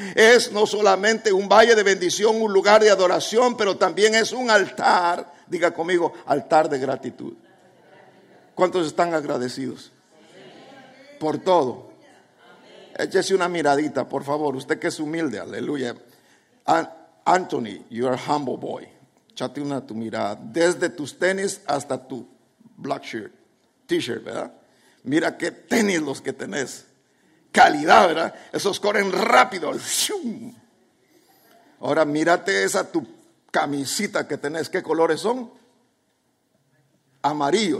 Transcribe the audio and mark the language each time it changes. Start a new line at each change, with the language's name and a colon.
Spanish: Es no solamente un valle de bendición, un lugar de adoración, pero también es un altar. Diga conmigo, altar de gratitud. ¿Cuántos están agradecidos? Por todo. Échese una miradita, por favor. Usted que es humilde, aleluya.
English: Anthony, you're a humble boy.
Spanish: Échate una tu mirada. Desde tus tenis hasta tu
English: black shirt.
Spanish: T-shirt, ¿verdad? Mira qué tenis los que tenés. Calidad, ¿verdad? Esos corren rápido. Ahora mírate esa tu camisita que tenés. ¿Qué colores son? Amarillo.